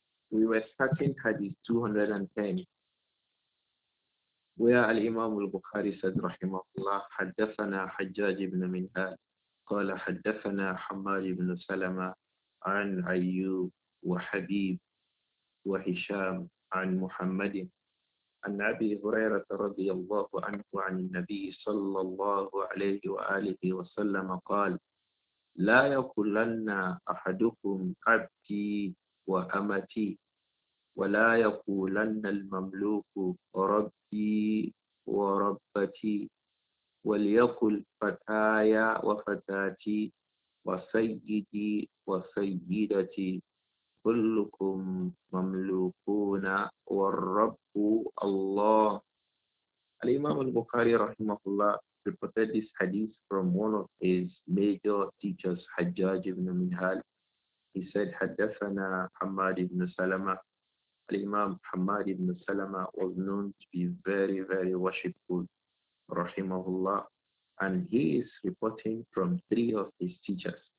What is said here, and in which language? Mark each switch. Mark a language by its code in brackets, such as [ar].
[en] We were starting Hadith 210, where Al-Imam al-Bukhari said, rahimahullah, haddathana Hajjaj ibn Minhad, qala haddathana Hammad ibn Salama, an Ayyub wa Habib wa Hisham, an Muhammadin. [ar] عن أبي هريرة رضي الله عنه عن النبي صلى الله عليه وآله وسلم قال لا يقولن أحدكم عبدي وأمتي ولا يقولن المملوك ربي وربتي وليقل فتايا وفتاتي وسيدي وسيدتي كلكم مملوكون والرب الله. [en] Al-Imam al-Bukhari rahimahullah reported this hadith from one of his major teachers, Hajjaj ibn Minhal. He said, Haddathana Hammad ibn Salama. Al-Imam Hammad ibn Salama was known to be very, very worshipful, rahimahullah. And he is reporting from three of his teachers.